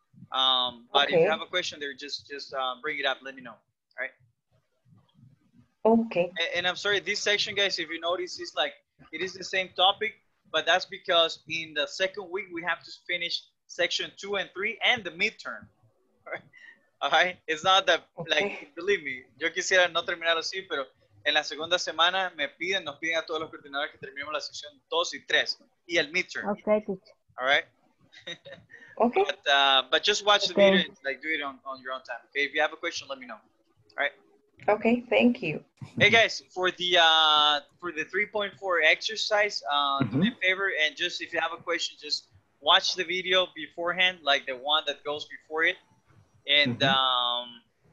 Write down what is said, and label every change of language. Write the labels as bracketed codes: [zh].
[en] But okay. If you have a question there, bring it up, let me know, all right? Okay. And I'm sorry, this section, guys, if you notice, it's like, it is the same topic, but that's because in the second week, we have to finish section 2 and 3 and the midterm, all right? It's not that, okay. Like, believe me, [es] yo quisiera no terminar así, pero en la segunda semana me piden, nos piden a todos los coordinadores que terminemos la sección 2 y 3 y el midterm. [en] Okay. All right? Okay. But just watch the video, like, do it on your own time, okay? If you have a question, let me know, all right? Okay, thank you. Hey guys, for the 3.4 exercise, mm-hmm. Do me a favor and just if you have a question, just watch the video beforehand, like the one that goes before it, and mm-hmm.